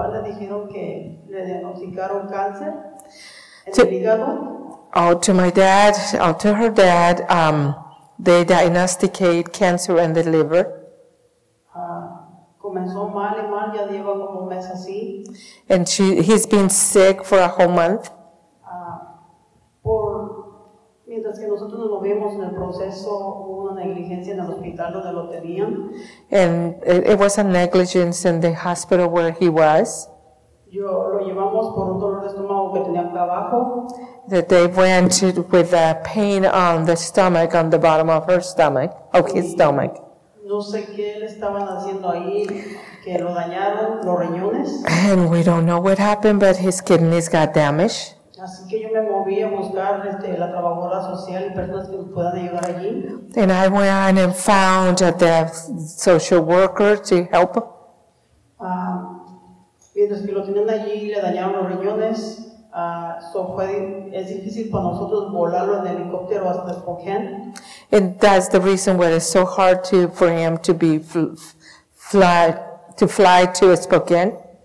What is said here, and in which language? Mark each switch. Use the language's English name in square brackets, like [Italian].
[Spanish] dijeron que le diagnosticaron cáncer en el hígado. [English] Oh, to my dad, oh, to her dad, they diagnosticate cancer in the liver. [Spanish] Comenzó mal y mal, ya lleva como un mes así. [English] And he's been sick for a whole month. [Spanish] Por mientras que nosotros nos movimos en el proceso, hubo una negligencia en el hospital donde lo tenían. [English] And it was a negligence in the hospital where he was. [Spanish] Yo lo llevamos por un dolor de estómago que tenía acá abajo. [English] That they went with a pain on the stomach, on the bottom of her stomach, of his stomach. [Spanish] No sé qué le estaban haciendo ahí, que lo dañaron, los riñones. [English] And we don't know what happened, but his kidneys got damaged. [Spanish] Así que yo me moví a buscar la trabajadora social y personas que nos puedan ayudar allí. [English] And I went and found the social worker to help. [Spanish] Mientras que lo tenían allí, le dañaron los riñones. Es difícil para nosotros volarlo en helicóptero hasta Spokane. [English] And that's the reason why it's so hard to for him to be fly to Spokane.